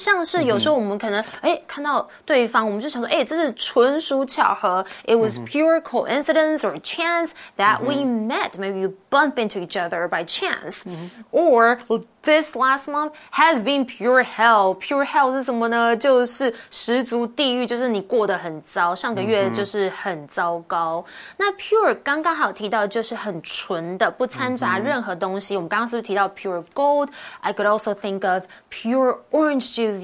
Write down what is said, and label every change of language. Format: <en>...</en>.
<zh>像是有时候我们可能、看到对方，我们就想说，这是纯属巧合。</zh> <en>It was pure coincidence or chance that we met. Maybe you bump into each other by chance. Or, well, this last month has been pure hell. Pure hell</en> <zh>是什么呢？就是十足地狱，就是你过得很糟。上个月、就是很糟糕。那 pure 刚刚好提到就是很纯的，不掺杂任何东西。我们刚刚是不是提到</zh> <en>pure gold? I could also think of pure orange juice.</en>